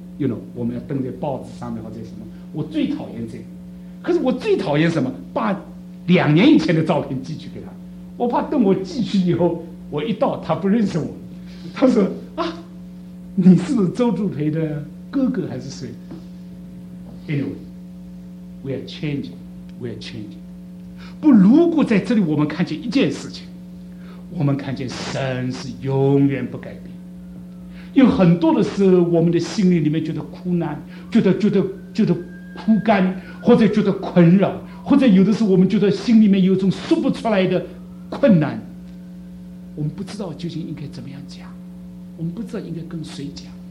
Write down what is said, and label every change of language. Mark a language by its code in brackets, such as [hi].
[zh] You know， 我们要登在报纸上面或者什么，我最讨厌这个。可是我最讨厌什么？把两年以前的照片寄去给他，我怕等我寄去以后，我一到他不认识我，他说啊，你是周助培的哥哥还是谁。 [en] Anyway, we are changing, we are changing. [zh] 不，如果在这里我们看见一件事情，我们看见神是永远不改变。因为很多的时候，我们的心灵里面觉得苦难，觉得枯干，或者觉得困扰，或者有的时候我们觉得心里面有一种说不出来的困难，我们不知道究竟应该怎么样讲，我们不知道应该跟谁讲。